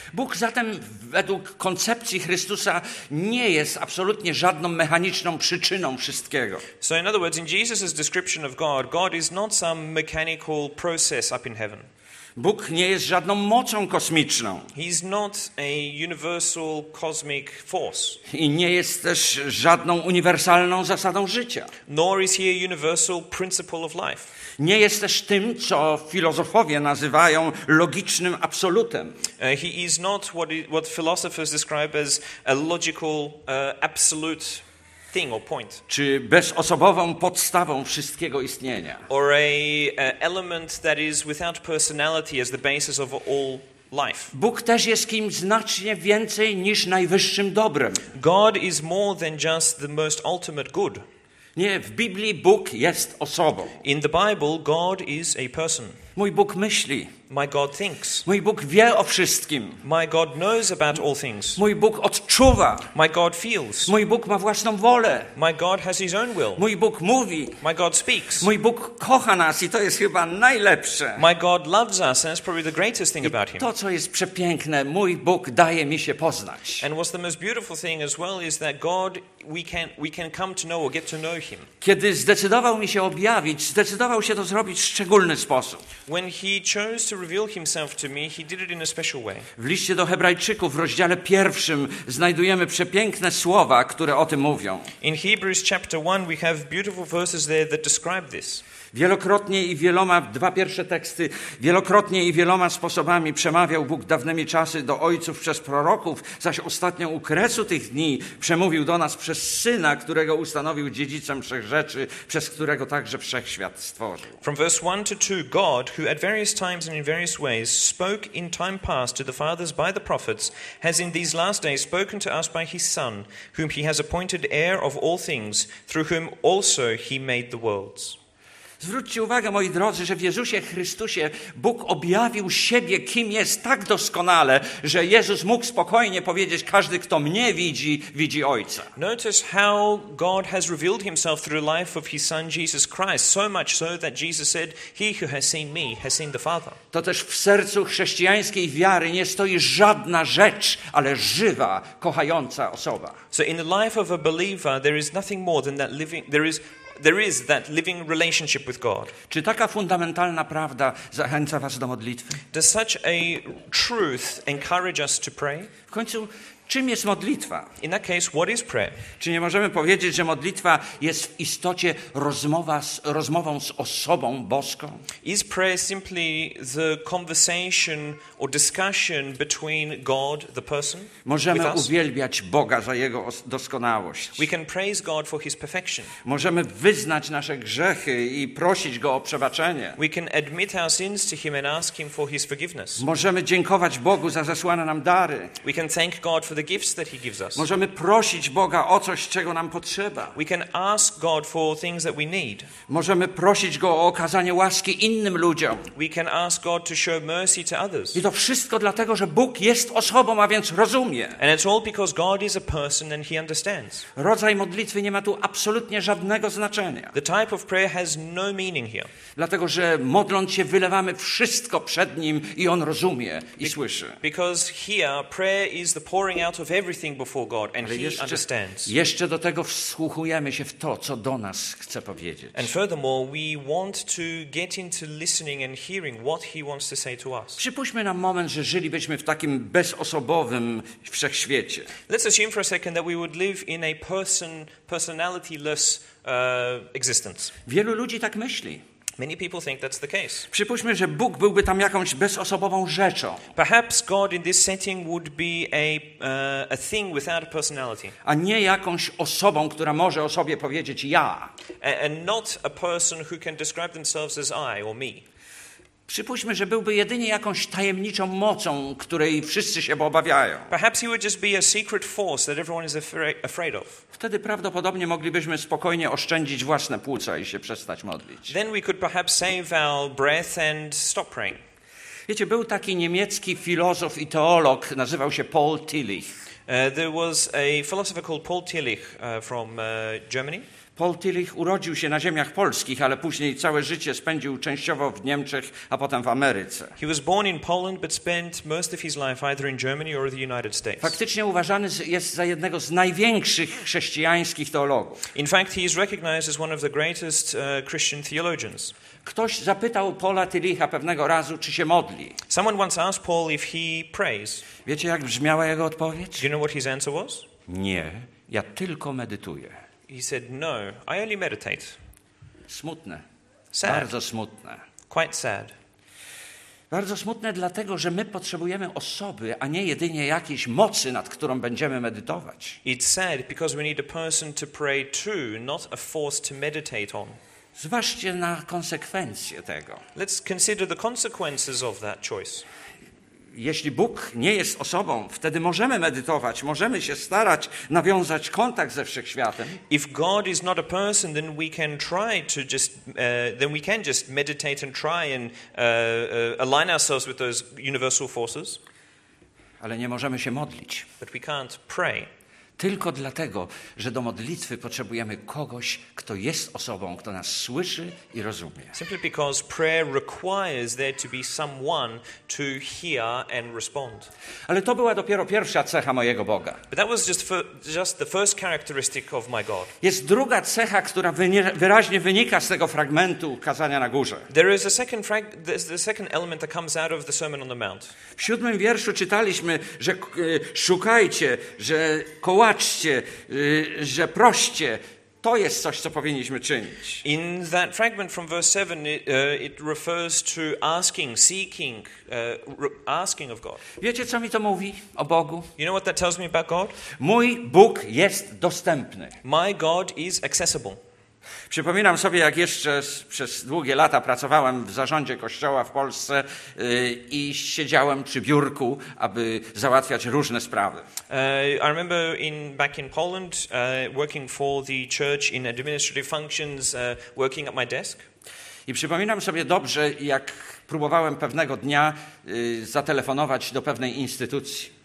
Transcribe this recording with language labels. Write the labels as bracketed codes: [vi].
[pl] Bóg zatem według koncepcji Chrystusa nie jest absolutnie żadną mechaniczną przyczyną wszystkiego. [en] So in other words, in Jesus's description of God, God is not some mechanical process up in heaven. [pl] Bóg nie jest żadną mocą kosmiczną. [en] He's not a universal cosmic force. [pl] I nie jest też żadną uniwersalną zasadą życia. [en] Nor is he a universal principle of life. [pl] Nie jest też tym, co filozofowie nazywają logicznym absolutem. [en] He is not what philosophers describe as a logical absolute thing or point. [pl] Czy bezosobową podstawą wszystkiego istnienia. [en] Or a element that is without personality as the basis of all life. [pl] Bóg też jest kimś znacznie więcej niż najwyższym dobrem. [en] God is more than just the most ultimate good. [pl] Nie, w Biblii Bóg jest osobą. [en] In the Bible, God is a person. [pl] Mój Bóg myśli. [en] My God thinks. [pl] Mój Bóg wie o wszystkim. [en] My God knows about all things. [pl] Mój Bóg odczuwa. [en] My God feels. [pl] Mój Bóg ma własną wolę. [en] My God has his own will. [pl] Mój Bóg mówi. [en] My God speaks. [pl] Mój Bóg kocha nas i to jest chyba najlepsze. [en] My God loves us and it's probably the greatest thing about him. [pl] To co jest przepiękne, mój Bóg daje mi się poznać. [en] And what's the most beautiful thing as well is that God we can come to know or get to know him. [pl] Kiedy zdecydował mi się objawić, zdecydował się to zrobić w szczególny sposób. [en] When he chose to reveal himself to me, he did it in a special way. [pl] W liście do Hebrajczyków w rozdziale pierwszym znajdujemy przepiękne słowa, które o tym mówią. [en] In Hebrews chapter 1 we have beautiful verses there that describe this. [pl] Wielokrotnie i wieloma, dwa pierwsze teksty, wielokrotnie i wieloma sposobami przemawiał Bóg dawnymi czasy do ojców przez proroków, zaś ostatnio u kresu tych dni przemówił do nas przez Syna, którego ustanowił dziedzicem wszech rzeczy, przez którego także wszechświat stworzył. [en] From verse 1 to 2, God, who at various times and in various ways spoke in time past to the fathers by the prophets, has in these last days spoken to us by his Son, whom he has appointed heir of all things, through whom also he made the worlds. [pl] Zwróćcie uwagę, moi drodzy, że w Jezusie Chrystusie Bóg objawił siebie, kim jest, tak doskonale, że Jezus mógł spokojnie powiedzieć, każdy, kto mnie widzi, widzi Ojca. [en] Notice how God has revealed himself through the life of his Son Jesus Christ, so much so that Jesus said, he who has seen me has seen the Father. [pl] To też w sercu chrześcijańskiej wiary nie stoi żadna rzecz, ale żywa, kochająca osoba. [en] So in the life of a believer, there is nothing more than that living, there is that living relationship with God. [pl] Czy taka fundamentalna prawda zachęca was do modlitwy? [en] Does such a truth encourage us to pray? [pl] W końcu, czym jest modlitwa? [en] In that case, what is prayer? [pl] Czy nie możemy powiedzieć, że modlitwa jest w istocie rozmową z osobą boską? [en] Is prayer simply the conversation or discussion between God, the person? [pl] Możemy uwielbiać Boga za jego doskonałość. [en] We can praise God for his perfection. [pl] Możemy wyznać nasze grzechy i prosić go o przebaczenie. [en] We can admit our sins to him and ask him for his forgiveness. [pl] Możemy dziękować Bogu za zesłane nam dary. [en] We can thank God for the gifts that he gives us. [pl] Możemy prosić Boga o coś, czego nam potrzeba. [en] We can ask God for things that we need. [pl] Możemy prosić go o okazanie łaski innym ludziom. [en] We can ask God to show mercy to others. [pl] I to wszystko dlatego, że Bóg jest osobą, a więc rozumie. [en] And it's all because God is a person and he understands. [pl] Rodzaj modlitwy nie ma tu absolutnie żadnego znaczenia. [en] The type of prayer has no meaning here. [pl] Dlatego, że modląc się wylewamy wszystko przed nim i on rozumie i słyszy. [en] Because here prayer is the pouring out of everything before God and he understands. [pl] Jeszcze do tego wsłuchujemy się w to, co do nas chce powiedzieć. [en] And furthermore, we want to get into listening and hearing what he wants to say to us. [pl] Przypuśćmy na moment, że żylibyśmy w takim bezosobowym wszechświecie. [en] Let's assume for a second that we would live in a personalityless existence. [pl] Wielu ludzi tak myśli. [en] Many people think that's the case. [pl] Przypuśćmy, że Bóg byłby tam jakąś bezosobową rzeczą. [en] Perhaps God in this setting would be a thing without a personality. [pl] A nie jakąś osobą, która może o sobie powiedzieć ja. [en] And not a person who can describe themselves as I or me. [pl] Przypuśćmy, że byłby jedynie jakąś tajemniczą mocą, której wszyscy się obawiają. [en] Perhaps he would just be a secret force that everyone is afraid of. [pl] Wtedy prawdopodobnie moglibyśmy spokojnie oszczędzić własne płuca i się przestać modlić. [en] Then we could perhaps save our breath and stop praying. [pl] Wiecie, był taki niemiecki filozof i teolog, nazywał się Paul Tillich. [en] There was a philosopher called Paul Tillich from Germany. [pl] Paul Tillich urodził się na ziemiach polskich, ale później całe życie spędził częściowo w Niemczech, a potem w Ameryce. [en] He was born in Poland, but spent most of his life either in Germany or the United States. [pl] Faktycznie uważany jest za jednego z największych chrześcijańskich teologów. [en] In fact, he is recognized as one of the greatest Christian theologians. [pl] Ktoś zapytał Paula Tillicha pewnego razu, czy się modli. [en] Someone once asked Paul if he prays. [pl] Wiecie, jak brzmiała jego odpowiedź? [en] Do you know what his answer was? [pl] Nie, ja tylko medytuję. [en] He said, no, I only meditate. [pl] Smutne. [en] Sad. [pl] Bardzo smutne. [en] Quite sad. [pl] Bardzo smutne dlatego, że my potrzebujemy osoby, a nie jedynie jakiejś mocy, nad którą będziemy medytować. [en] It's sad because we need a person to pray to, not a force to meditate on. [pl] Zważcie na konsekwencje tego. [en] Let's consider the consequences of that choice. [pl] Jeśli Bóg nie jest osobą, wtedy możemy medytować, możemy się starać nawiązać kontakt ze wszechświatem. [en] If God is not a person, then we can try to just then we can just meditate and try and align ourselves with those universal forces. [pl] Ale nie możemy się modlić. [en] But we can't pray. [pl] Tylko dlatego, że do modlitwy potrzebujemy kogoś, kto jest osobą, kto nas słyszy i rozumie. [en] Simply because prayer requires there to be someone to hear and respond. [pl] Ale to była dopiero pierwsza cecha mojego Boga. [en] But that was just the first characteristic of my God. [pl] Jest druga cecha, która wyraźnie wynika z tego fragmentu kazania na górze. [en] There is a second the second element that comes out of the Sermon on the Mount. [pl] W siódmym wierszu czytaliśmy, że szukajcie, że kołaczcie, że proście. To jest coś, co powinniśmy czynić. [en] In that fragment from verse 7, it refers to asking, seeking, asking of God. [pl] Wiecie, co mi to mówi o Bogu? [en] You know what that tells me about God? [pl] Mój Bóg jest dostępny. [en] My God is accessible. [pl] Przypominam sobie, jak jeszcze przez długie lata pracowałem w zarządzie kościoła w Polsce i siedziałem przy biurku, aby załatwiać różne sprawy. [en] I remember back in Poland, working for the church in administrative functions, working at my desk. [pl] I przypominam sobie dobrze, jak próbowałem pewnego dnia zatelefonować do pewnej instytucji.